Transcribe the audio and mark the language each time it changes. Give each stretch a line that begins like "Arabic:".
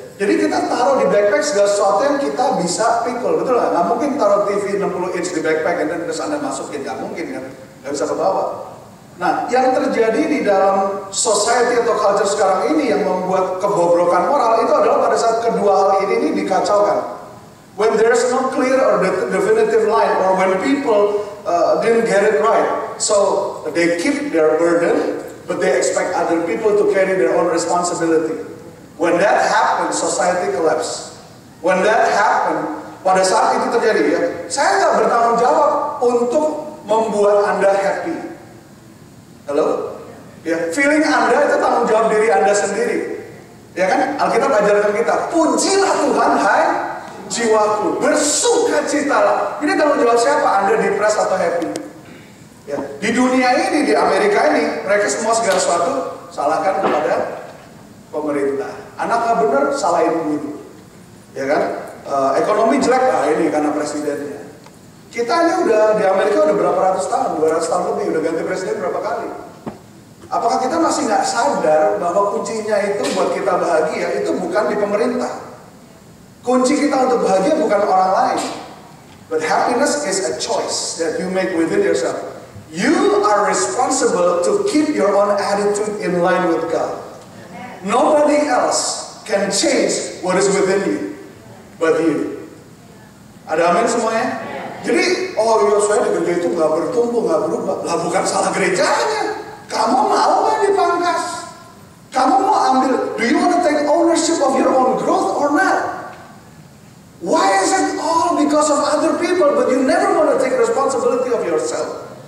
Indonesian: Jadi kita taruh di backpack segala sesuatu yang kita bisa pikul, betul nggak? Nggak mungkin taruh TV 60 inch di backpack dan terus Anda masukin, nggak mungkin kan? Nggak bisa kebawa. Nah, yang terjadi di dalam society atau culture sekarang ini yang membuat kebobrokan moral itu adalah pada saat kedua hal ini dikacaukan.
English: When there's no clear or definitive line, or when people didn't get it right, so they keep their burden, but they expect other people to carry their own responsibility. When that happens, society collapse. When that happen,
Indonesian: pada saat itu terjadi ya, saya nggak bertanggung jawab untuk membuat Anda happy. Halo? Ya, feeling Anda itu tanggung jawab diri Anda sendiri. Ya kan? Alkitab ajarkan kita, pujilah Tuhan, hai jiwaku, bersuka citalah. Ini tanggung jawab siapa? Anda depressed atau happy? Ya. Di dunia ini, di Amerika ini, mereka semua segala sesuatu salahkan kepada pemerintah. Anak nggak benar, salahin guru. Ya kan? Ekonomi jelek lah ini karena presidennya. Kita ini udah di Amerika udah berapa ratus tahun, 200 tahun lebih, udah ganti presiden berapa kali. Apakah kita masih nggak sadar bahwa kuncinya itu buat kita bahagia itu bukan di pemerintah? Kunci kita untuk bahagia bukan orang lain.
English: But happiness is a choice that you make within yourself. You are responsible to keep your own attitude in line with God. Nobody else can change what is within you but you.
Indonesian: Ada amin semuanya? Jadi, oh iya saya di gereja itu gak bertumbuh, gak berubah. Lah bukan salah gerejanya. Kamu mau gak dipangkas? Kamu mau ambil,
English: do you want to take ownership of your own growth or not? Why is it all because of other people but you never want to take responsibility of yourself?